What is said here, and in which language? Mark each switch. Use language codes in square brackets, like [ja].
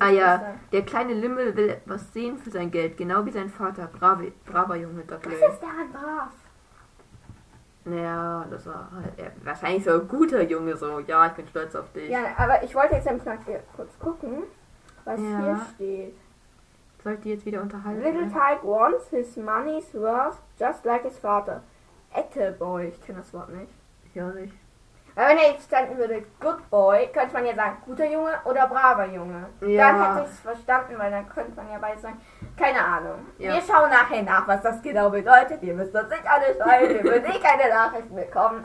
[de] Ah ja, der kleine Lümmel will was sehen für sein Geld, genau wie sein Vater. Braver Junge, Dudley. Was ist daran brav? Naja, das war halt wahrscheinlich so ein guter Junge, so, ja, ich bin stolz auf dich. Ja, aber ich wollte jetzt nämlich mal kurz gucken, was hier steht. Soll ich die jetzt wieder unterhalten? [en] Little Tyke wants his money's worth just like his father. [de] Attaboy, ich kenne das Wort nicht. Ich auch nicht. Weil wenn er jetzt standen würde, [en] good boy, [de] könnte man ja sagen, guter Junge oder braver Junge. Ja. Dann hätte ich es verstanden, weil dann könnte man ja beide sagen, keine Ahnung. Ja. Wir schauen nachher nach, was das genau bedeutet. Ihr müsst uns nicht alle schreiben, wir würden eh keine Nachrichten bekommen.